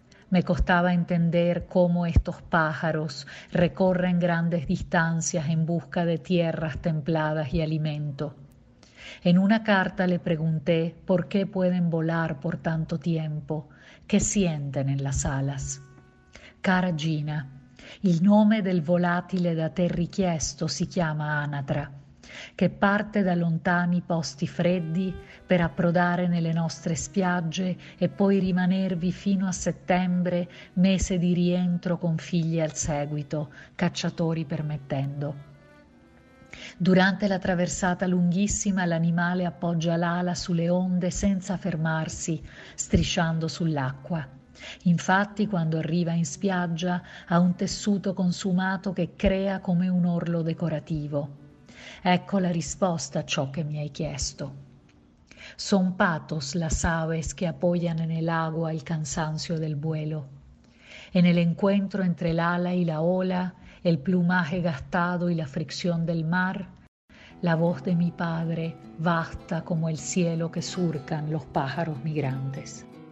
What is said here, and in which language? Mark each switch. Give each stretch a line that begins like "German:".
Spanish: Me costaba entender cómo estos pájaros recorren grandes distancias en busca de tierras templadas y alimento. En una carta le pregunté por qué pueden volar por tanto tiempo, qué sienten en las alas.
Italian: Cara Gina, il nome del volatile da te richiesto si chiama anatra, che parte da lontani posti freddi per approdare nelle nostre spiagge e poi rimanervi fino a settembre, mese di rientro con figli al seguito, cacciatori permettendo. Durante la traversata lunghissima l'animale appoggia l'ala sulle onde senza fermarsi, strisciando sull'acqua. Infatti, quando arriva in spiaggia, ha un tessuto consumato che crea come un orlo decorativo. Ecco la risposta a ciò che mi hai chiesto.
Spanish: Son patos las aves que apoyan en el agua el cansancio del vuelo. En el encuentro entre el ala y la ola, el plumaje gastado y la fricción del mar, la voz de mi padre vasta como el cielo que surcan los pájaros migrantes.